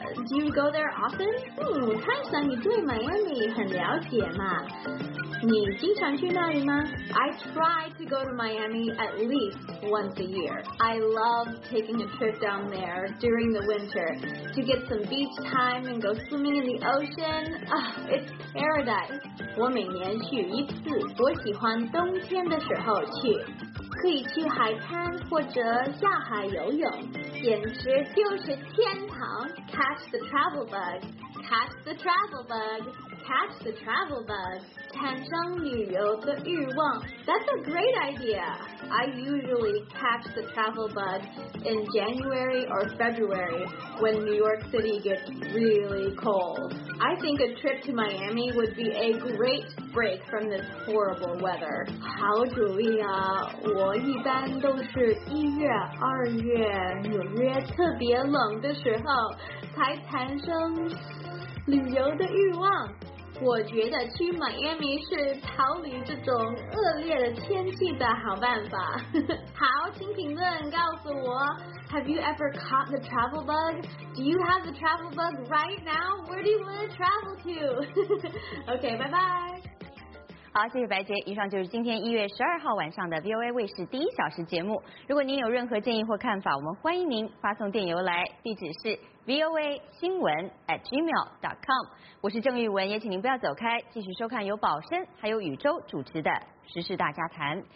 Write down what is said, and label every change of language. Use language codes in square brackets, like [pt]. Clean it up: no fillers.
[en] Do you go there often? [zh] 看上你对 Miami 很了解嘛。你经常去那里吗？ [en] I try to go to Miami at least once a year. I love taking a trip down there during the winter to get some beach time and go swimming in the ocean. It's paradise. [zh] 我每年去一次，我喜欢冬天的时候去，可以去海滩或者下海游泳，简直就是天堂。 [en] Catch the travel bug. Catch the travel bug. Catch the travel bug. [zh] 产生旅游的欲望。 [en] That's a great idea. I usually catch the travel bug in January or February when New York City gets really cold. I think a trip to Miami would be a great break from this horrible weather. [zh] 好主意啊，我一般都是一月、二月，纽约特别冷的时候才产生旅游的欲望。我觉得去 Miami 是逃离这种恶劣的天气的好办法。好，请评论告诉我， [en] Have you ever caught the travel bug? Do you have the travel bug right now? Where do you want to travel to? OK, bye bye. [zh] 好，谢谢白洁。以上就是今天1月12号晚上的 VOA 卫视第一小时节目。如果您有任何建议或看法，我们欢迎您发送电邮来，地址是 voa.gmail.com。我是郑玉文，也请您不要走开，继续收看由宝生还有宇宙主持的时事大家谈。